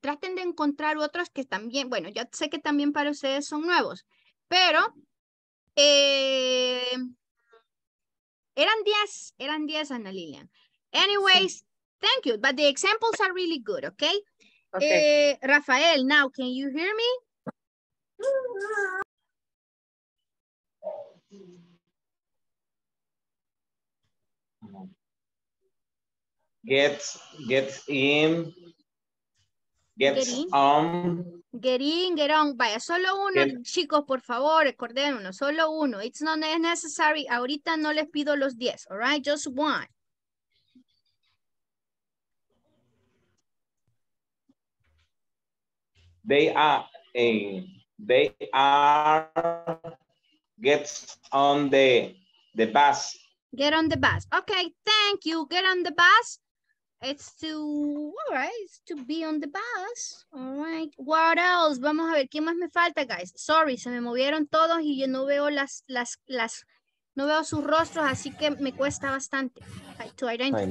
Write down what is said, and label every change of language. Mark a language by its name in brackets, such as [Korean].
[Spanish] Traten de encontrar otros que también, bueno, ya sé que también para ustedes son nuevos, pero eran 10, Ana Lilian. [English] Anyways, thank you, but the examples are really good, okay? Okay. Rafael, now can you hear me? Get in. Get in. Get in, get on. [Spanish] Vaya, solo uno, bien. Chicos, por favor, recuerden uno, solo uno. [English] It's not necessary. [Spanish] Ahorita no les pido los 10, [English] all right? Just one. They get on the bus. Get on the bus. Okay, thank you. Get on the bus. It's to, all right, it's to be on the bus. All right, what else? [Spanish] Vamos a ver, ¿qué más me falta, guys? [English] Sorry, [Spanish] se me movieron todos y yo no veo las, no veo sus rostros, así que me cuesta bastante [English] to identify.